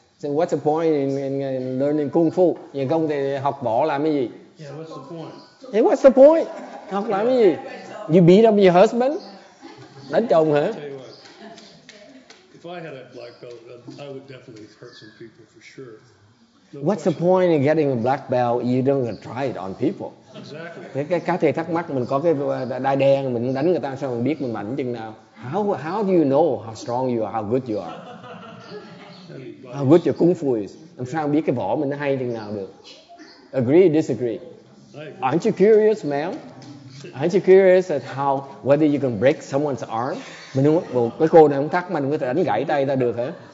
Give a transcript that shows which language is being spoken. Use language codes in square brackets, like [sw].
[en] So what's the point in learning kung fu? [vi] Nhưng không thì học vỏ làm cái gì? [en] Yeah, what's the point? Hey, what's the point? [vi] Học làm cái gì? [en] You beat up your husband? [vi] Đánh chồng hả? [en] If I had a black belt, I would definitely hurt some people for sure. No. What's the point in getting a black belt? You don't gonna try it on people. Exactly. [vi] Thế cái thầy thắc mắc mình có cái đai đen mình đánh người ta sao mình biết mình mạnh chừng nào? [en] How do you know how strong you are, how good you are? How good your kung fu is? [vi] Làm sao biết cái võ mình nó hay chừng nào được? [en] Agree or disagree? Aren't you curious, ma'am? Aren't you curious at how whether you can break someone's arm? [vi] Mình không, well, cái cô này không thắc mình có thể đánh gãy tay ta được hả?